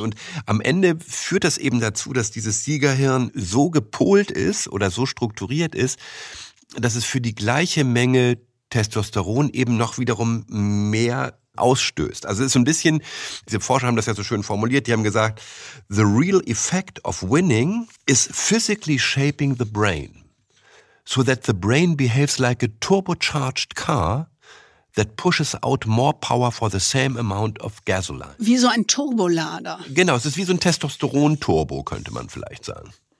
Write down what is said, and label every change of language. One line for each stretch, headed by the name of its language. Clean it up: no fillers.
German: Und am Ende führt das eben dazu, dass dieses Siegerhirn so gepolt ist oder so strukturiert ist, dass es für die gleiche Menge Testosteron eben noch wiederum mehr ausstößt. Also es ist so ein bisschen, diese Forscher haben das ja so schön formuliert, die haben gesagt,
English: the real effect of winning is physically shaping the brain. So that the brain behaves like a turbocharged car that pushes out more power for the same amount of gasoline.
German: Wie so ein Turbolader. Genau, es ist wie so ein Testosteron-Turbo, könnte man vielleicht sagen.